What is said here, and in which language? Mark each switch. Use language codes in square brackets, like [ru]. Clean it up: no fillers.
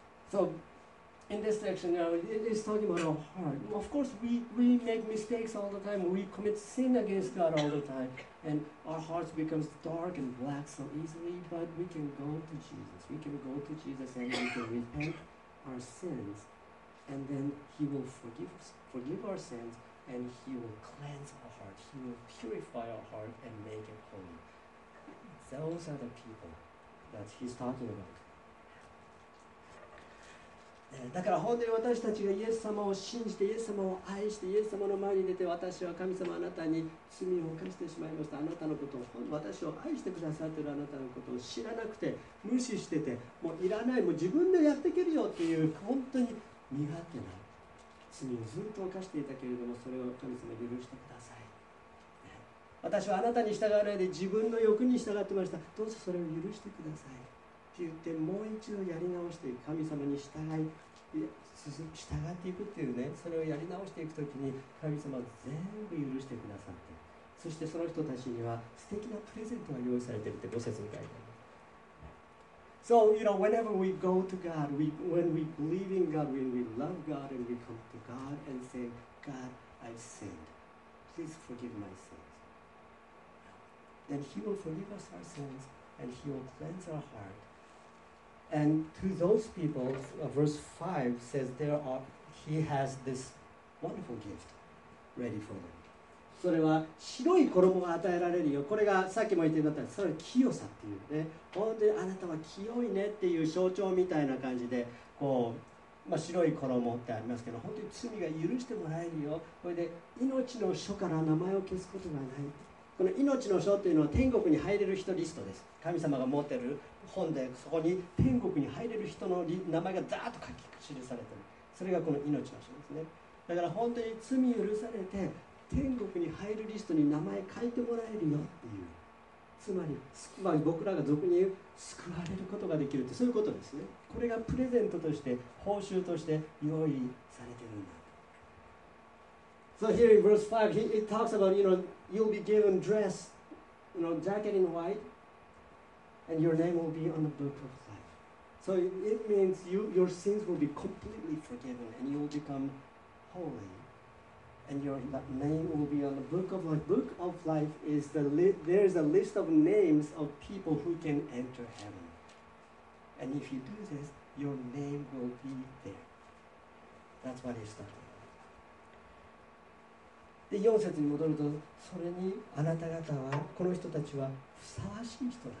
[en] So, in this section, you know, it is talking about our heart. Of course, we make mistakes all the time. We commit sin against God all the time. And our hearts become dark and black so easily. But we can go to Jesus. We can go to Jesus and we can repent our sins. And then He will forgive us, forgive our sins, and He will cleanse our heart. He will purify our heart and make it holy. Those are the people that He's talking about. [ja] だから本当に私たちがイエス様を信じて、イエス様を愛して、イエス様の前に出て、私は神様あなたに罪を犯してしまいました、あなたのことを、私を愛してくださっているあなたのことを知らなくて無視してて、もういらない、もう自分でやっていけるよっていう、本当に身勝手な罪をずっと犯していたけれども、それを神様許してください、私はあなたに従わないで自分の欲に従ってました、どうぞそれを許してくださいって言って、もう一度やり直していく、神様に従っていくっていうね、それをやり直していくときに神様は全部許してくださって、そしてその人たちには素敵なプレゼントが用意されているって5節に書いてある。 [en] So, you know, whenever we go to God, we, when we believe in God, when we love God, and we come to God and say, God, I've sinned. Please forgive my sins. Then He will forgive us our sins, and He will cleanse our heart. And to those people, verse 5 says, there are, He has this wonderful gift ready for them. [ja] それは白い衣が与えられるよ。これがさっきも言ってたんだったら、それは清さっていうね。本当にあなたは清いねっていう象徴みたいな感じで、こう、まあ、白い衣ってありますけど、本当に罪が許してもらえるよ。これで命の書から名前を消すことがない。この命の書っていうのは天国に入れる人リストです。神様が持ってる本で、そこに天国に入れる人の名前がザーッと書き記されてる。それがこの命の書ですね。だから本当に罪許されて、天国に入るリストに名前書いてもらえるよっていう、つまり、まあ、僕らが俗に言う救われることができるって、そういうことですね。これがプレゼントとして報酬として用意されてるんだ。 [en] So here in verse 5 he, it talks about, you know, you'll be given dress, you know, jacket in white, and your name will be on the book of life. So it means you, your sins will be completely forgiven and you'll become holyAnd your name will be on the book of life. Book of life is the there is a list of names of people who can enter heaven. And if you do this, your name will be there. That's what he's talking about. [ja] で、4節に戻ると、それにあなた方は、この人たちはふさわしい人だからって言います。